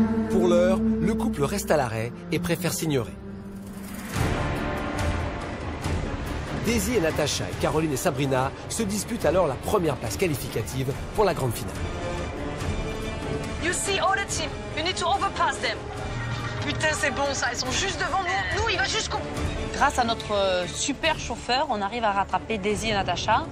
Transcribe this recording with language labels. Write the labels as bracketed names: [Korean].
[French] Pour l'heure, le couple reste à l'arrêt et préfère s'ignorer. Daisy et Natacha et Caroline et Sabrina se disputent alors la première place qualificative pour la grande finale. [English] You see all the team, you need to overpass them. [French] Putain, c'est bon ça, elles sont juste devant nous. Nous, il va jusqu'au. Grâce à notre super chauffeur, on arrive à rattraper Daisy et Natacha.